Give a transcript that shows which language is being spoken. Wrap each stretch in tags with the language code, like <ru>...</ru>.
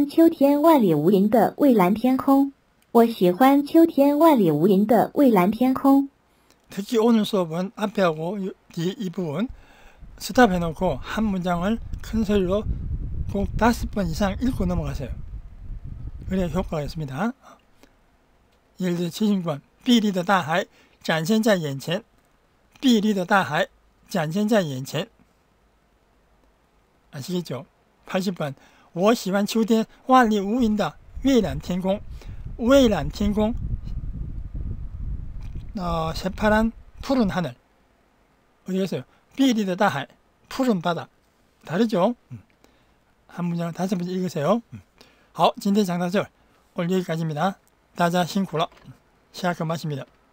<zh>碧绿的大海展现在眼前，碧绿的大海展现在眼前，皎洁的月光映在平静的湖面，皎洁的月光映在平静的湖面。韩国被称为是宁静的清晨之国，韩国被称为是宁静的清晨之国。傍晚的天空出现一道美丽的彩虹，傍晚的天空出现一道美丽的彩虹。我喜欢秋天万里无云的蔚蓝天空。</zh> <ko>특히 오늘 수업은 앞에하고 이 부분 스탑해놓고 한 문장을 큰 소리로 꼭 5번 이상 읽고 넘어가세요. 그래야 효과가 있습니다. 예를 들어 70번</ko> <zh>碧绿的大海展现在眼前，碧绿的大海展现在眼前，</zh> <ko>아시겠죠?</ko> <zh>80번 我喜欢秋天万里无云的蔚蓝天空， 웨이란 天空,</zh> <ko>새파란 푸른 하늘. 어디겠어요? 비리드 다하이, 푸른 바다. 다르죠? 한 문장 다시 한번 읽으세요.</ko> <zh>好, 今天讲到这儿,</zh> <ko>오늘 여기까지입니다.</ko> <zh>大家辛苦了, 下课마십니다.</zh>